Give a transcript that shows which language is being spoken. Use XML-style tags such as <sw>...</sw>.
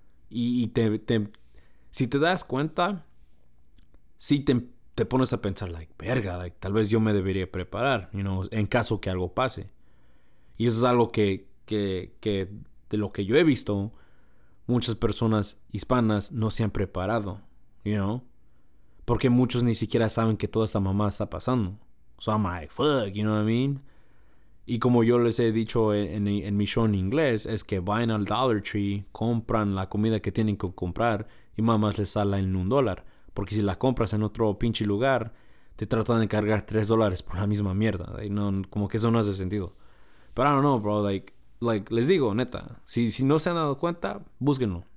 <es>Y si te das cuenta, sí te pones a pensar, like, verga, like, tal vez yo me debería preparar,</es> <en>you know,</en> <es>en caso que algo pase. Y eso es algo que de lo que yo he visto, muchas personas hispanas no se han preparado,</es> <en>you know.</en> <es>Porque muchos ni siquiera saben que toda esta mamada está pasando.</es> <en>So I'm like, fuck, you know what I mean?</en> <es>Y como yo les he dicho en mi show en inglés, es que vayan al Dollar Tree, compran la comida que tienen que comprar y mamás les sale en $1. Porque si la compras en otro pinche lugar, te tratan de cargar $3 por la misma mierda. Like, no, como que eso no hace sentido.</es> <en>But I don't know, bro.</en> <es>Like les digo, neta, si no se han dado cuenta, búsquenlo.</es>